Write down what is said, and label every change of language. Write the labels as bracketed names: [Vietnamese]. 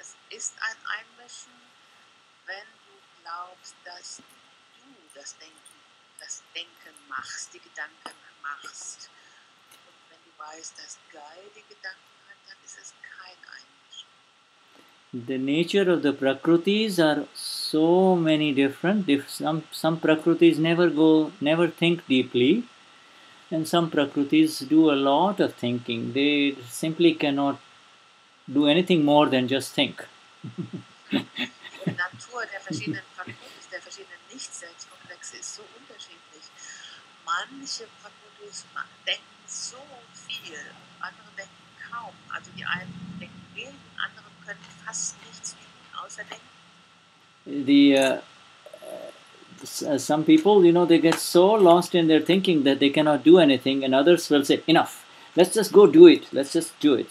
[German] Ist ein Einmischen, wenn du glaubst, dass du das Denken machst, die Gedanken machst. Und wenn du weißt, dass Guy die Gedanken hat, dann ist es kein Einmischen. [English] The nature of the Prakrutis are so many different. Some Prakrutis never think deeply. And some Prakrutis do a lot of thinking. They simply cannot do anything more than just think. [German] Die Natur der verschiedenen Prakrutis, der verschiedenen Nicht-Selbstkomplexe ist so unterschiedlich. Manche Prakrutis denken so viel, andere denken kaum. Also die einen denken wenig, andere können fast nichts denken, außer denken. [English] Some people, you know, they get so lost in their thinking that they cannot do anything, and others will say, enough, let's just go do it, let's just do it.